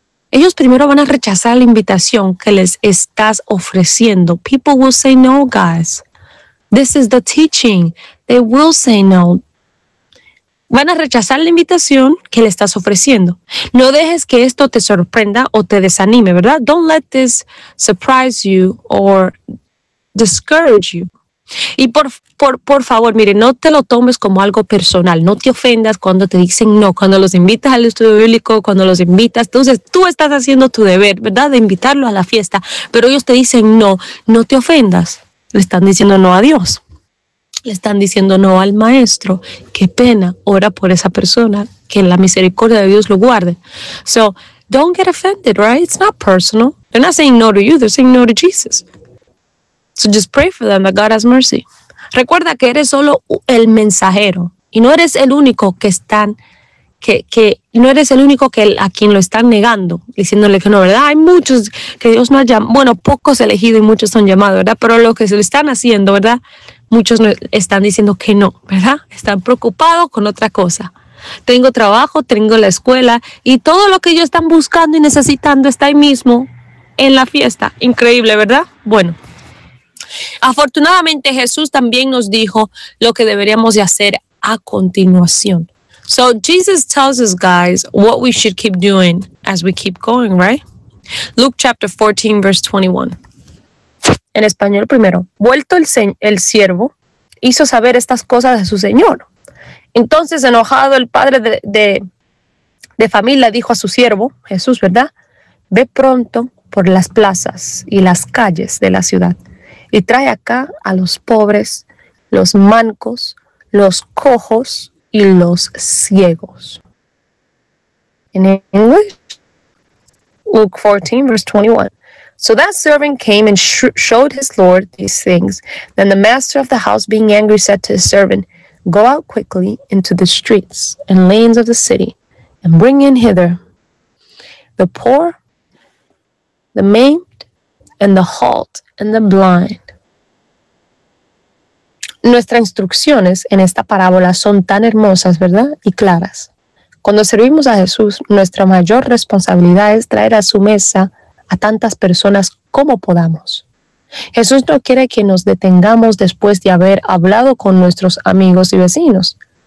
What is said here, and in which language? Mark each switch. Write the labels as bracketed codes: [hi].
[es] Ellos primero van a rechazar la invitación que les estás ofreciendo. [en] People will say no, guys. This is the teaching. They will say no. [es] Van a rechazar la invitación que le estás ofreciendo. No dejes que esto te sorprenda o te desanime, ¿verdad? [en] Don't let this surprise you or discourage you. [es] Y por favor, mire, no te lo tomes como algo personal. No te ofendas cuando te dicen no, cuando los invitas al estudio bíblico, cuando los invitas. Entonces tú estás haciendo tu deber, ¿verdad? De invitarlo a la fiesta, pero ellos te dicen no, no te ofendas. Le están diciendo no a Dios. Le están diciendo no al maestro. Qué pena, ora por esa persona, que la misericordia de Dios lo guarde. [en] So, don't get offended, right? It's not personal. They're not saying no to you, they're saying no to Jesus. So just pray for them that God has mercy. [es] Recuerda que eres solo el mensajero y no eres el único que están, no eres el único que a quien lo están negando, diciéndole que no, ¿verdad? Hay muchos que Dios no ha llamado, bueno, pocos elegidos y muchos son llamados, ¿verdad? Pero lo que se le están haciendo, ¿verdad? Muchos están diciendo que no, ¿verdad? Están preocupados con otra cosa. Tengo trabajo, tengo la escuela y todo lo que ellos están buscando y necesitando está ahí mismo en la fiesta. Increíble, ¿verdad? Bueno, afortunadamente Jesús también nos dijo lo que deberíamos de hacer a continuación. [en] So Jesus tells us, guys, what we should keep doing as we keep going, right? Luke chapter 14, verse 21. [es] En español primero, vuelto el siervo, hizo saber estas cosas a su señor. Entonces, enojado, el padre de familia dijo a su siervo, Jesús, ¿verdad? Ve pronto por las plazas y las calles de la ciudad y trae acá a los pobres, los mancos, los cojos y los ciegos. En inglés, Luke 14, verse 21. [en] So that servant came and showed his Lord these things. Then the master of the house, being angry, said to his servant, go out quickly into the streets and lanes of the city and bring in hither the poor, the maimed, and the halt, and the blind. [es] Nuestras instrucciones en esta parábola son tan hermosas, ¿verdad? Y claras. Cuando servimos a Jesús, nuestra mayor responsabilidad es traer a su mesa a tantas personas como podamos. Jesús no quiere que nos detengamos después de haber hablado con nuestros amigos y vecinos.